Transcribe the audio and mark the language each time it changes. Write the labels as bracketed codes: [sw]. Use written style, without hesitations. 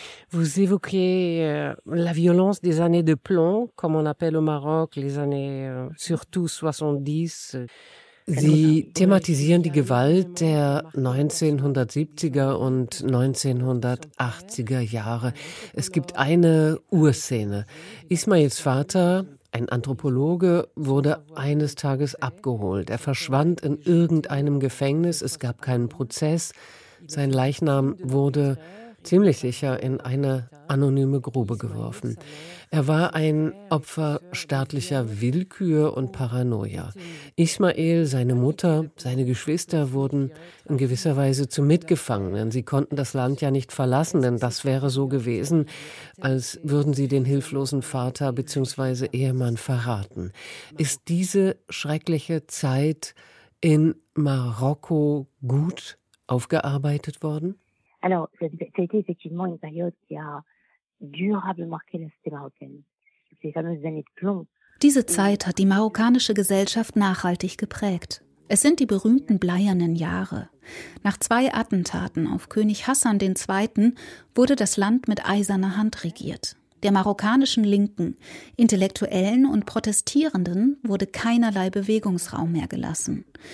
[fr] Vous évoquez la violence des années de plomb, comme on appelle au Maroc les années surtout 70. [de] Sie thematisieren die Gewalt der 1970er und 1980er Jahre. Es gibt eine Urszene. Ismails Vater, ein Anthropologe, wurde eines Tages abgeholt. Er verschwand in irgendeinem Gefängnis. Es gab keinen Prozess. Sein Leichnam wurde ziemlich sicher in eine anonyme Grube geworfen. Er war ein Opfer staatlicher Willkür und Paranoia. Ismael, seine Mutter, seine Geschwister wurden in gewisser Weise zu Mitgefangenen. Sie konnten das Land ja nicht verlassen, denn das wäre so gewesen, als würden sie den hilflosen Vater bzw. Ehemann verraten. Ist diese schreckliche Zeit in Marokko gut aufgearbeitet worden? [fr] Alors, ça a été effectivement une période qui a durable marqué la société marocaine. Ces fameuses années de plomb. [de] Diese Zeit hat die marokkanische Gesellschaft nachhaltig geprägt. Es sind die berühmten bleiernen Jahre. Nach zwei Attentaten auf König Hassan II. Wurde das Land mit eiserner Hand regiert. Der marokkanischen Linken, Intellektuellen und Protestierenden wurde keinerlei Bewegungsraum mehr gelassen.